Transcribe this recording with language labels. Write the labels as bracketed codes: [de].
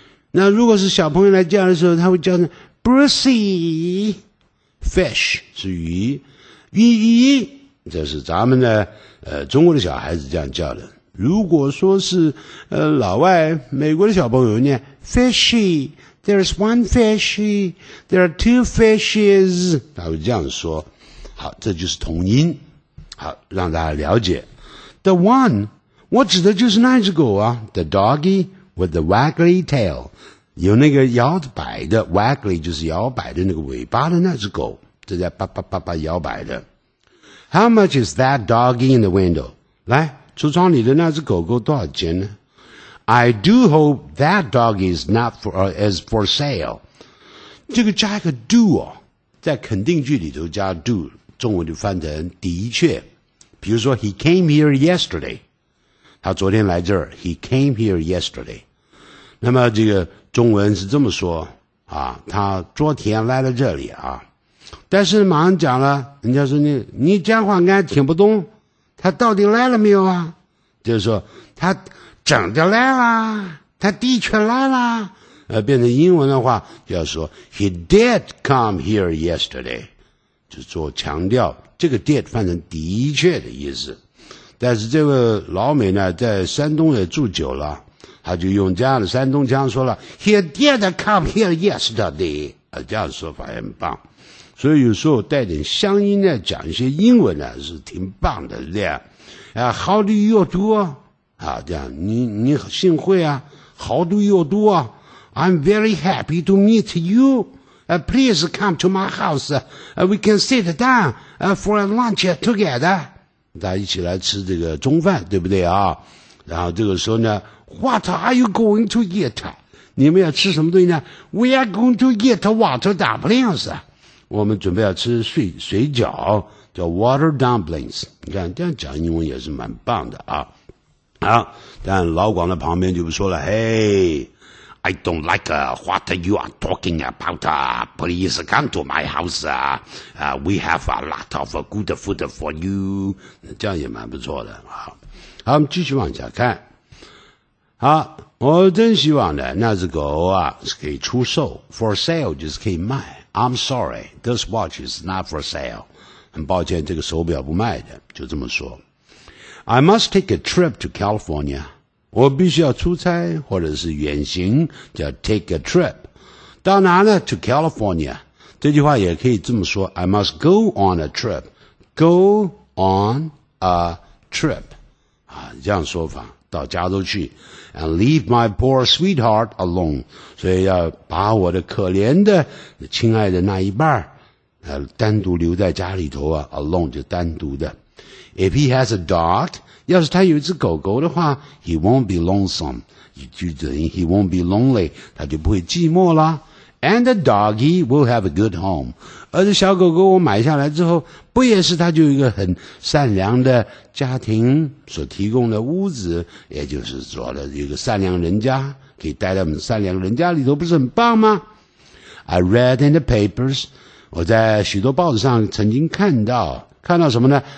[zh] 那如果是小朋友来叫的时候他会叫成 [en] Brucey Fish [zh] 是鱼鱼鱼这是咱们的中国的小孩子这样叫的如果说是老外美国的小朋友念 [en] Fishy There's one fishy There are two fishes [zh] 他会这样说好这就是同音好让大家了解 [en] The one, [zh] 我指的就是那只狗啊 , [en] the doggy with the waggly tail, [zh] 有那个摇摆的 ,waggly 就是摇摆的那个尾巴的那只狗正在啪啪啪啪摇摆的。 [en] How much is that doggy in the window? [zh] 来橱窗里的那只狗狗多少钱呢 [en] ?I do hope that doggy is not for,、is for sale. [zh] 这个加一个 do 哦在肯定句里头加 do, 中文就翻成的确。比如说 [en] he came here yesterday [zh] 他昨天来这儿 he came here yesterday 那么这个中文是这么说啊，他昨天来了这里啊，但是马上讲了人家说你讲话该听不懂他到底来了没有啊就是说他整着来了他的确来了变成英文的话就要说 [en] he did come here yesterday [zh] 就做强调这个 did 翻成的确的意思但是这个老美呢在山东也住久了他就用这样的山东腔说了 [en] He did come here yesterday [zh] 这样的说法也很棒所以有时候带点乡音呢，讲一些英文呢是挺棒的，对啊。 [en] 啊 ，How do you do？ [zh] 啊，这样你幸会啊 ， [en] How do you do？ I'm very happy to meet you. Please come to my house. We can sit down for a lunch together. [zh] 大家一起来吃这个中饭，对不对啊？ [en] 然后这个时候呢 ，What are you going to eat？ [zh] 你们要吃什么东西呢 [en] ？We are going to eat water dumplings. [zh] 我们准备要吃水饺，叫 water dumplings。你看这样讲英文也是蛮棒的啊。好，但老广的旁边就不说了，嘿。 [en] I don't like what you are talking about. Please come to my house. We have a lot of good food for you. [zh] 这样也蛮不错的。好，我们继续往下看。好，我真希望呢，那只狗啊是可以出售。 For sale 就是可以卖。 [en] I'm sorry, this watch is not for sale. [zh] 很抱歉，这个手表不卖的，就这么说。 [en] I must take a trip to California. [zh] 我必须要出差或者是远行，叫 take a trip。到哪呢？to California。这句话也可以这么说， [en] I must go on a trip。 [zh] go on a trip、啊、这样说法，到加州去。 [en] and leave my poor sweetheart alone。 [zh] 所以要把我的可怜的亲爱的那一半、啊、单独留在家里头啊。 alone 就单独的。 [en] if he has a dog， [zh] 要是他有一只狗狗的话 , [en] he won't be lonesome, [zh] 也就等于 [en] he won't be lonely, [zh] 他就不会寂寞啦。 [en] And the doggy will have a good home. [zh] 而这小狗狗我买下来之后，不也是他就一个很善良的家庭所提供的屋子，也就是说的一个善良人家，可以待在我们善良人家里头，不是很棒吗？ [en] I read in the papers, [zh] 我在许多报纸上曾经看到什么呢？